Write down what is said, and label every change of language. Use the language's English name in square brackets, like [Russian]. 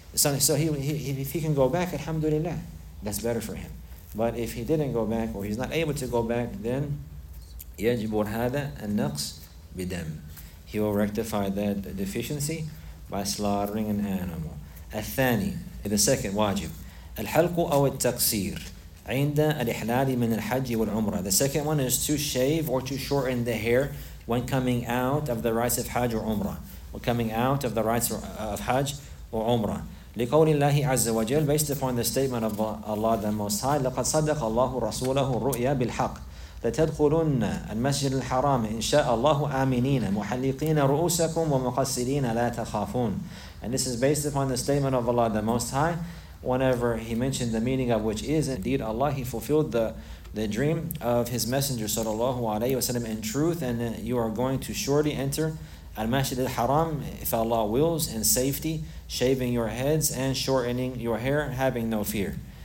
[English] So if he can go back, alhamdulillah, that's better for him. But if he didn't go back, or he's not able to go back, then يجب هذا النقص بدم. He will rectify that deficiency by slaughtering an animal. الثاني, the second wajib. [Arabic] الحلق أو التقصير عند الإحلال من الحج والعمرة. [English] The second one is to shave or to shorten the hair when coming out of the rites of Hajj or Umrah. When coming out of the rites of Hajj or Umrah. [Arabic] لقول الله عز وجل, based upon the statement of Allah the Most High, لقد صدق الله رسوله الرؤيا بالحق. لتدخلن المسجد الحرام إن شاء الله آمنين محلقين رؤوسكم ومقصرين لا تخافون. [English] And this is based upon the statement of Allah the Most High, whenever he mentioned the meaning of which is indeed Allah, he fulfilled the dream of his messenger sallallahu alayhi wa sallam in truth, and you are going to surely enter al-masjid al-haram if Allah wills in safety, shaving your heads and shortening your hair, having no fear.